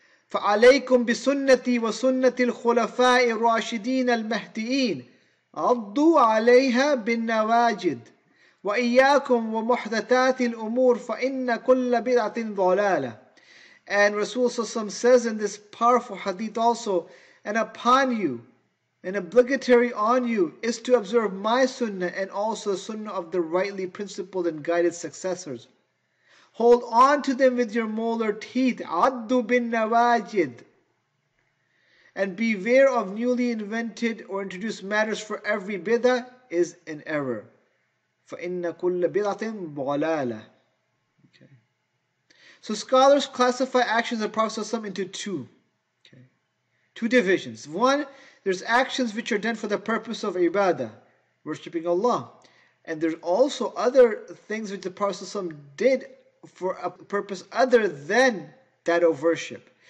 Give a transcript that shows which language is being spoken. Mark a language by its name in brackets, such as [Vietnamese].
[Arabic] فَعَلَيْكُمْ بِسُنَّتِي وَسُنَّةِ الْخُلَفَاءِ الرَّاشِدِينَ الْمَهْدِئِينَ عَضُّوا عَلَيْهَا بِالنَّوَاجِدِ وَإِيَّاكُمْ وَمُحْدَثَاتِ الْأُمُورِ فَإِنَّ كُلَّ بِدْعَةٍ ضَلَالَةٍ [English] And Rasulullah says in this powerful hadith also, and upon you, and obligatory on you, is to observe my sunnah and also the sunnah of the rightly principled and guided successors. Hold on to them with your molar teeth, [Arabic] عَدُّ بِالنَّوَاجِدِ [English] And beware of newly invented or introduced matters, for every bid'ah is an error. [Arabic] فَإِنَّ كُلَّ بِدْعَةٍ ضَلَالَةٍ [English] Okay. So scholars classify actions of the Prophet ﷺ into two. Okay. Two divisions. One, there's actions which are done for the purpose of ibadah, worshipping Allah. And there's also other things which the Prophet ﷺ did for a purpose other than that of worship.